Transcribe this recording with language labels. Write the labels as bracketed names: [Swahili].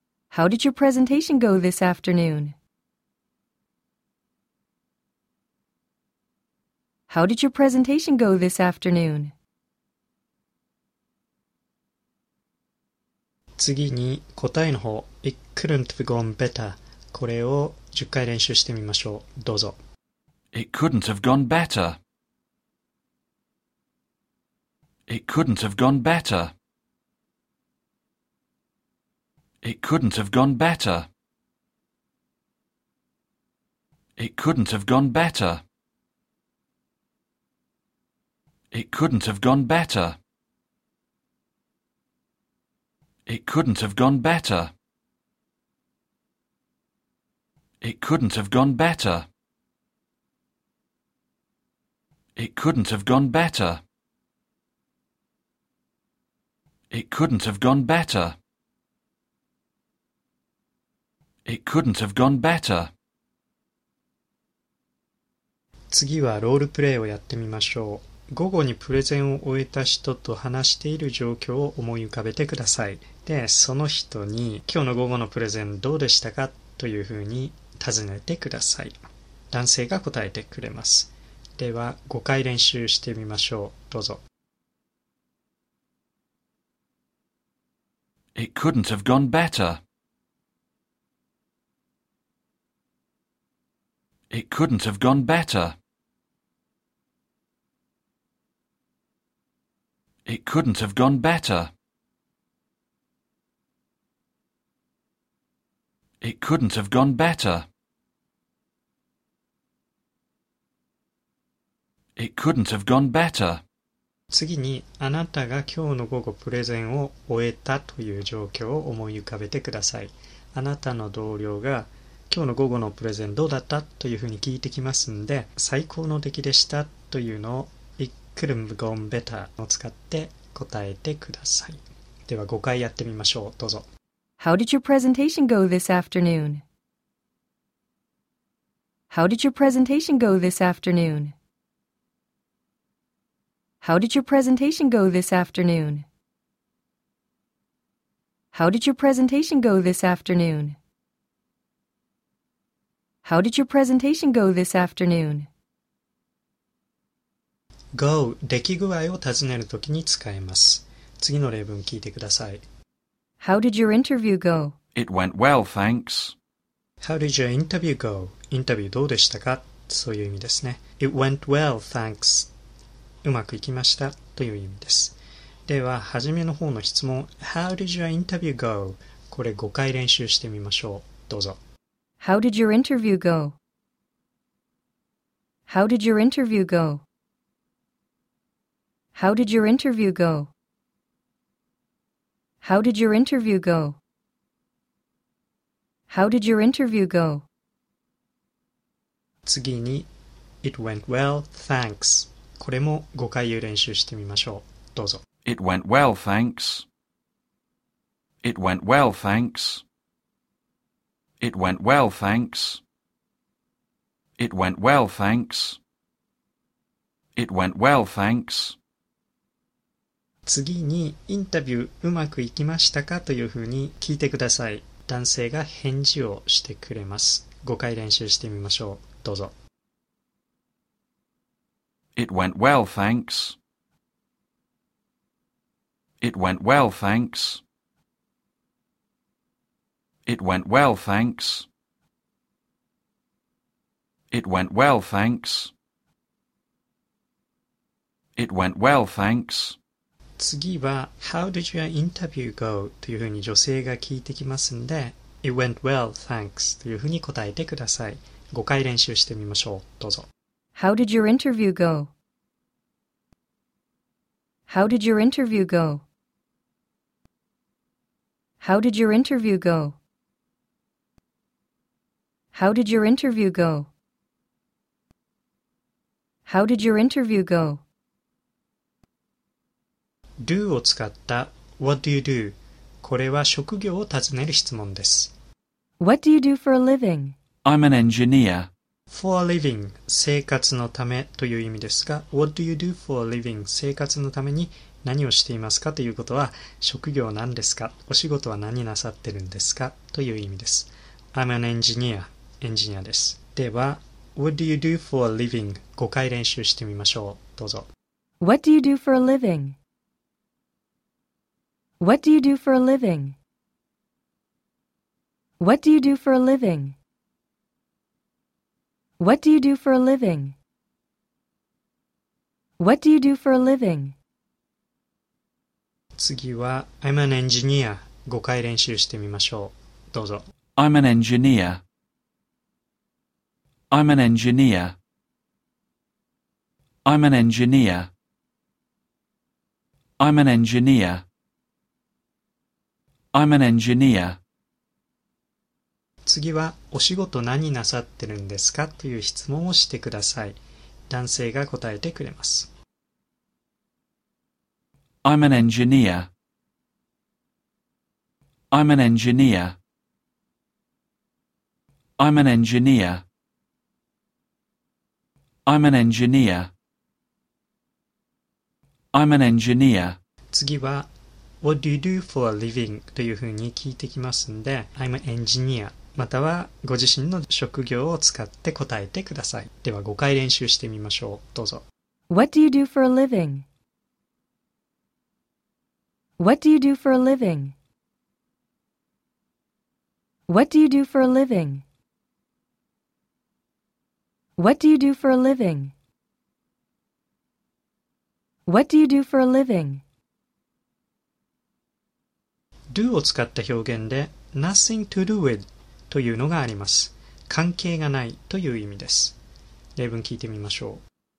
[English] How did your presentation go this afternoon? How did your presentation go this afternoon? [Japanese] 次に答えの方、 [English] It couldn't have gone better. [Japanese] これを10回練習してみましょう。どうぞ。 [English] It couldn't have gone better. It couldn't have gone better. It couldn't have gone better. It couldn't have gone better. It couldn't have gone better. It couldn't have gone better. It couldn't have gone better. It couldn't have gone better. It couldn't have gone better. It couldn't have gone better. [Japanese] 次はロールプレイをやってみましょう。午後にプレゼンを終えた人と話している状況を思い浮かべてください。で、その人に今日の午後のプレゼンどうでしたかというふうに尋ねてください。男性が答えてくれます。では、5回練習してみましょう。どうぞ。 [English] It couldn't have gone better. It couldn't have gone better. It couldn't have gone better. It couldn't have gone better. It couldn't have gone better. [Japanese] 次にあなたが今日の午後プレゼンを終えたという状況を思い浮かべてください。あなたの同僚が今日の午後のプレゼンどうだったというふうに聞いてきますので、最高の出来でしたというのを [English] It couldn't have gone better [Japanese] を使って答えてください。では5回やってみましょう。どうぞ。 [English] How did your presentation go this afternoon? How did your presentation go this afternoon? How did your presentation go this afternoon? How did your presentation go this afternoon? How did your presentation go this afternoon? [Japanese] Go 出来具合を尋ねるときに使います。次の例文聞いてください。 [English] How did your interview go? It went well, thanks. How did your interview go? [Japanese] インタビューどうでしたか? そういう意味ですね。 [English] It went well, thanks. [Japanese] うまくいきましたという意味です。では、はじめの方の質問、 [English] How did your interview go? [Japanese] これ5回練習してみましょう。どうぞ。 [English] How did your interview go? How did your interview go? How did your interview go? How did your interview go? How did your interview go? [Japanese] 次に、 [English] It went well, thanks. [Japanese] これも5回言う練習してみましょう。どうぞ。 [English] It went well, thanks. It went well, thanks. It went well, thanks. It went well, thanks. It went well, thanks. [Japanese] 次に、インタビューうまくいきましたかというふうに聞いてください。男性が返事をしてくれます。5回練習してみましょう。どうぞ。 [English] It went well, thanks. It went well, thanks. It went well, thanks. It went well, thanks. It went well, thanks. [Japanese] 次は、 [English] How did your interview go? [Japanese] というふうに女性が聞いてきますんで、 [English] It went well, thanks. [Japanese] というふうに答えてください。5回練習してみましょう。どうぞ。 [English] How did your interview go? How did your interview go? How did your interview go? How did your interview go? How did your interview go? Do [Japanese] を使った [English] What do you do? [Japanese] これは職業を尋ねる質問です。 [English] What do you do for a living? I'm an engineer. For a living, [Japanese] 生活のためという意味ですが、 [English] What do you do for a living? [Japanese] 生活のために何をしていますかということは、職業何ですか、お仕事は何なさってるんですかという意味です。 [English] I'm an engineer. [Japanese] エンジニアです。では、 [English] What do you do for a living? [Japanese] 5回練習してみましょう。どうぞ。 [English] What do you do for a living? What do you do for a living? What do you do for a living? What do you do for a living? What do you do for a living? [Japanese] 次は、 [English] I'm an engineer. [Japanese] 5回練習してみましょう。どうぞ。 [English] I'm an engineer. I'm an engineer. I'm an engineer. I'm an engineer. I'm an engineer. [Japanese] 次は、お仕事何なさってるんですかという質問をしてください。男性が答えてくれます。 [English] I'm an engineer. I'm an engineer. I'm an engineer. I'm an engineer. I'm an engineer. [Japanese] 次は、 [English] What do you do for a living? [Japanese] というふうに聞いてきますんで、 [English] I'm an engineer. [Japanese] またはご自身の職業を使って答えてください。では5回練習してみましょう。どうぞ。 [English] What do you do for a living? What do you do for a living? What do you do for a living? What do you do for a living? What do you do for a living? [Japanese] Do を使った表現で [English] Nothing to do with [Japanese] というのがあります。関係がないという意味です。例文聞いてみましょう。